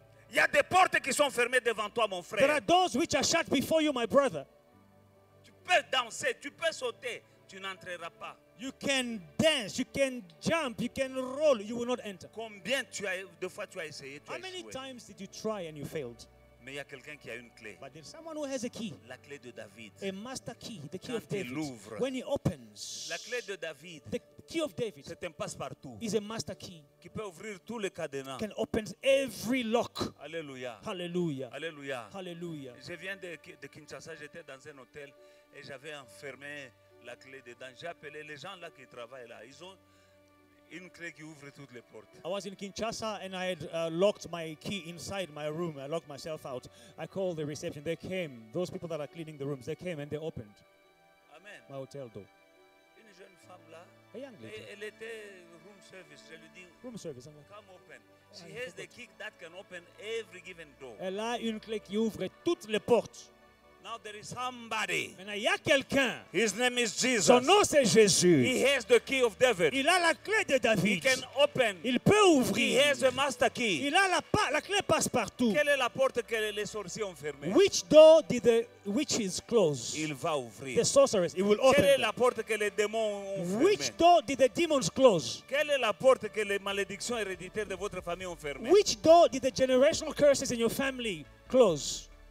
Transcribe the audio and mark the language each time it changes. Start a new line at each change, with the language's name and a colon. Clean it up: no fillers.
French: Il y a des portes qui sont fermées devant toi, mon frère.
English: There are doors which are shut before you, my brother.
French: Tu peux danser, tu peux sauter, tu n'entreras pas.
English: You can dance, you can jump, you can roll, you will not enter.
French: Combien tu as, de fois tu as essayé, tu
English: how
French: as
English: many
French: échoué.
English: Times did you try and you failed?
French: Mais il y a quelqu'un qui a une clé.
English: But there's someone who has a key.
French: La clé de David.
English: A master key, the key
French: quand
English: of David.
French: Il ouvre,
English: when he opens.
French: La clé de David.
English: The key of David.
French: C'est un passe-partout.
English: Is a master key.
French: Qui peut ouvrir tous les cadenas.
English: Can open every lock.
French: Alléluia.
English: Hallelujah.
French: Alléluia. Alléluia. Je viens de Kinshasa, j'étais dans un hôtel et j'avais enfermé la clé dedans. J'ai appelé les gens là qui travaillent là. Ils ont une clé qui ouvre toutes les portes.
English: I was in Kinshasa and I had locked my key inside my room. I locked myself out. I called the reception. They came. Those people that are cleaning the rooms, they came and they opened. Amen. My hotel door.
French: Une jeune femme là.
English: A young lady.
French: Elle était room service. Je lui dis,
English: room service. I'm like, come open. She has the key that can open every given door.
French: Elle a une clé qui ouvre toutes les portes.
English: Now there is somebody.
French: Maintenant, il y a quelqu'un.
English: His name is Jesus.
French: Son nom c'est Jésus.
English: He has the key of David.
French: Il a la clé de David.
English: He can open.
French: Il peut ouvrir.
English: He has a master key.
French: Il a la clé passe partout. Quelle est la porte que les sorciers ont fermée?
English: Which door did the witches close?
French: Il va ouvrir.
English: The sorceress, he will open.
French: Quelle est la porte que les démons ont fermée?
English: Which door did the demons close?
French: Quelle est la porte que les malédictions héréditaires de votre famille ont fermée?
English: Which door did the generational curses in your family close?